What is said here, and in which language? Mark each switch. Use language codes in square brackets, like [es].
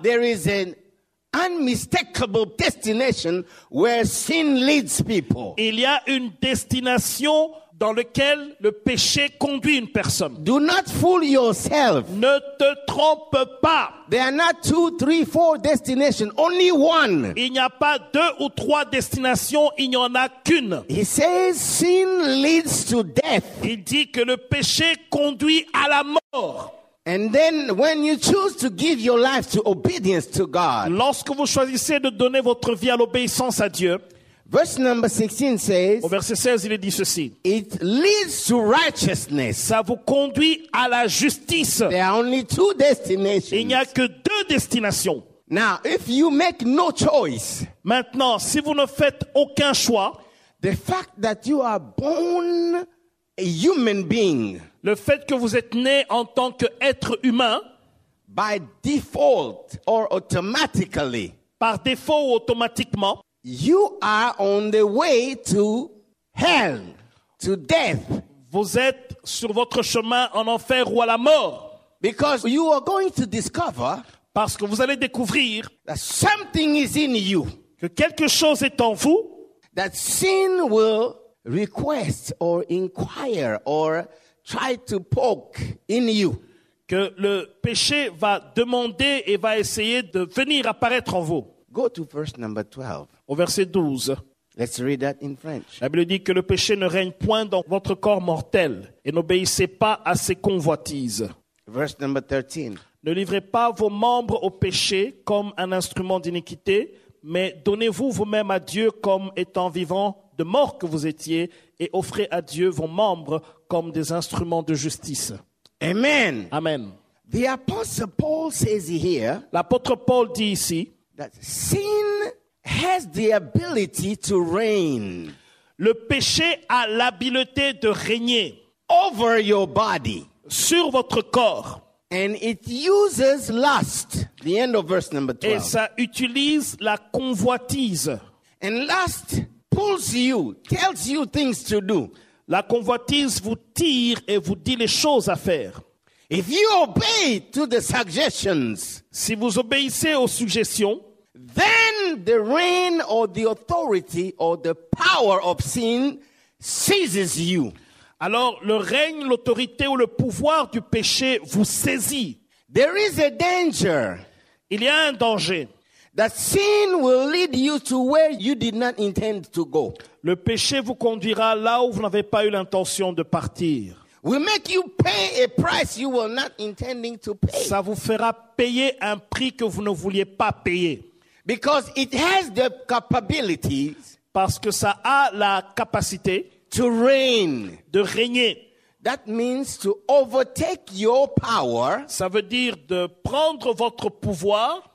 [en] There is an unmistakable destination where sin leads people. [fr] Il y a une destination dans lequel le péché conduit une personne. [en] Do not fool yourself. [fr] Ne te trompe pas. [en] There are not two, three, four destinations. Only one. [fr] Il n'y a pas deux ou trois destinations. Il n'y en a qu'une. [en] He says sin leads to death. [fr] Il dit que le péché conduit à la mort. [en] And then when you choose to give your life to obedience to God. [fr] Lorsque vous choisissez de donner votre vie à l'obéissance à Dieu. [en] Verse number 16 says, [fr] au verset 16, il est dit ceci. [en] It leads to righteousness. [fr] Ça vous conduit à la justice. [en] There are only two destinations. [fr] Il n'y a que deux destinations. [en] Now, if you make no choice, [fr] maintenant, si vous ne faites aucun choix, [en] the fact that you are born a human being, [fr] le fait que vous êtes né en tant qu'être humain, [en] by default or automatically, [fr] par défaut ou automatiquement, [en] you are on the way to hell, to death. [fr] Vous êtes sur votre chemin en enfer ou à la mort. [en] Because you are going to discover, [fr] parce que vous allez découvrir, [en] that something is in you, [fr] que quelque chose est en vous, [en] that sin will request or inquire or try to poke in you, [fr] que le péché va demander et va essayer de venir apparaître en vous. [en] Go to verse number 12. [fr] Au verset 12. [en] Let's read that in French. [fr] La Bible dit que le péché ne règne point dans votre corps mortel et n'obéissez pas à ses convoitises. [en] Verse number 13. [fr] Ne livrez pas vos membres au péché comme un instrument d'iniquité, mais donnez-vous vous-même à Dieu comme étant vivant de mort que vous étiez et offrez à Dieu vos membres comme des instruments de justice. [en] Amen. [fr] Amen. [en] The apostle Paul says here, [fr] l'apôtre Paul dit ici, [en] that sin has the ability to reign. [fr] Le péché a l'habileté de régner [en] over your body, [fr] sur votre corps, [en] and it uses lust. The end of verse number 12. [fr] Et ça utilise la convoitise. [en] And lust pulls you, tells you things to do. [fr] La convoitise vous tire et vous dit les choses à faire. [en] If you obey to the suggestions, [fr] si vous obéissez aux suggestions, [en] then the reign or the authority or the power of sin seizes you. [fr] Alors le règne, l'autorité ou le pouvoir du péché vous saisit. [en] There is a danger. [fr] Il y a un danger. [en] That sin will lead you to where you did not intend to go. [fr] Le péché vous conduira là où vous n'avez pas eu l'intention de partir. [en] Will make you pay a price you were not intending to pay. [fr] Ça vous fera payer un prix que vous ne vouliez pas payer. [en] Because it has the capabilities, [fr] parce que ça a la capacité, [en] to reign, [fr] de régner. [en] That means to overtake your power, [fr] ça veut dire de prendre votre pouvoir,